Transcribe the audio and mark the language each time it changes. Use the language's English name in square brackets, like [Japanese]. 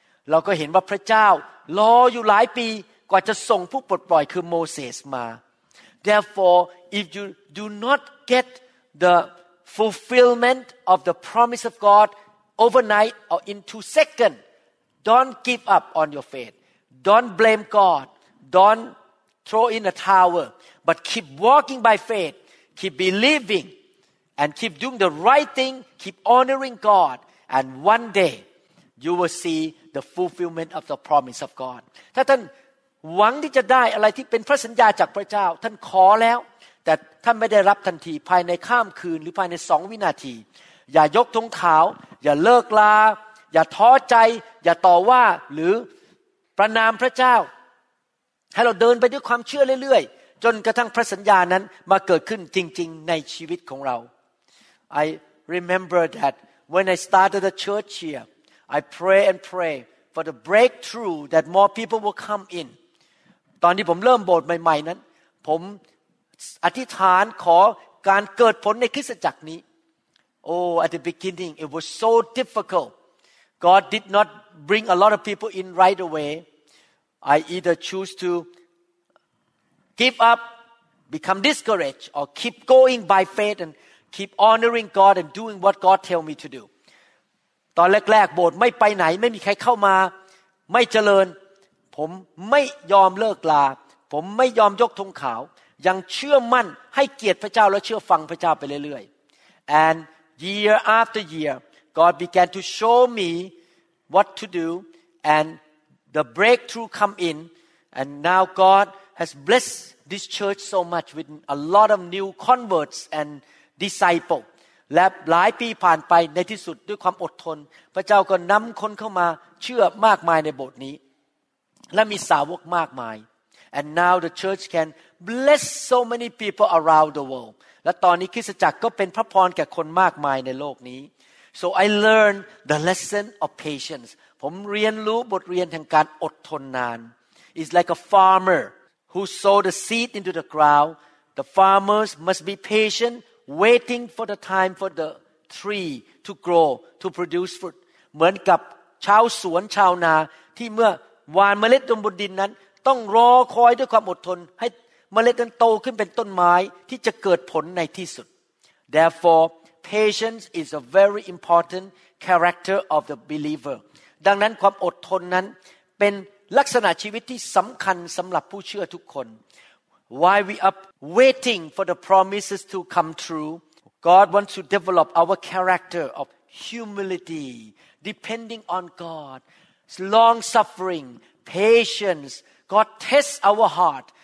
[Thai] เราก็เห็นว่าพระเจ้ารออยู่หลายปีกว่าจะส่งผู้ปลดปล่อยคือโมเสสมา [English] Therefore if you do not get the fulfillment of the promise of God overnight or in 2 seconds don't give up on your faith don't blame God don't throw in a towel but keep walking by faithKeep believing and keep doing the right thing. Keep honoring God. And one day, you will see the fulfillment of the promise of God. [Thai] ถ้าท่านหวังที่จะได้อะไรที่เป็นพระสัญญาจากพระเจ้าท่านขอแล้วแต่ท่านไม่ได้รับทันทีภายในข้ามคืนหรือภายใน2 วินาทีอย่ายกธงขาวอย่าเลิกลาอย่าท้อใจอย่าต่อว่าหรือประณามพระเจ้า ให้เราเดินไปด้วยความเชื่อเรื่อยจนกระทั่งพระสัญญานั้นมาเกิดขึ้นจริงๆในชีวิตของเรา [English] I remember that when I started the church here I pray and pray for the breakthrough that more people will come in [Thai] ตอนที่ผมเริ่มโบสถ์ใหม่ๆนั้นผมอธิษฐานขอการเกิดผลในคริสตจักรนี้ [English] Oh at the beginning it was so difficult God did not bring a lot of people in right away I either choose to give up become discouraged or keep going by faith and keep honoring God and doing what God tell me to do. [Thai] ตอนแรกๆโบสถ์ไม่ไปไหนไม่มีใครเข้ามาไม่เจริญผมไม่ยอมเลิกลาผมไม่ยอมยกธงขาวยังเชื่อมั่นให้เกียรติพระเจ้าและเชื่อฟังพระเจ้าไปเรื่อยๆ [English] And year after year God began to show me what to do and the breakthrough come in and now God has blessed this church so much with a lot of new converts and disciples [Thai] และหลายปีผ่านไปในที่สุดด้วยความอดทนพระเจ้าก็นำคนเข้ามาเชื่อมากมายในโบสถ์นี้และมีสาวกมากมาย [English] And now the church can bless so many people around the world. [Thai] และตอนนี้คริสตจักรก็เป็นพระพรแก่คนมากมายในโลกนี้ [English] So I learned the lesson of patience. [Thai] ผมเรียนรู้บทเรียนแห่งการอดทนนาน [English] It's like a farmer who sowed the seed into the ground. The farmers must be patient, waiting for the time for the tree to grow, to produce fruit. [Thai] เหมือนกับชาวสวนชาวนาที่เมื่อหว่านเมล็ดลงบนดินนั้นต้องรอคอยด้วยความอดทนให้เมล็ดนั้นโตขึ้นเป็นต้นไม้ที่จะเกิดผลในที่สุด [English] Therefore patience is a very important character of the believer [Thai] ดังนั้นความอดทนนั้นเป็นลักษณะชีวิตที่สำคัญสำหรับผู้เชื่อทุกคน [English] While we are waiting for the promises to come true God wants to develop our character of humility depending on God long suffering patienceGod test our heart.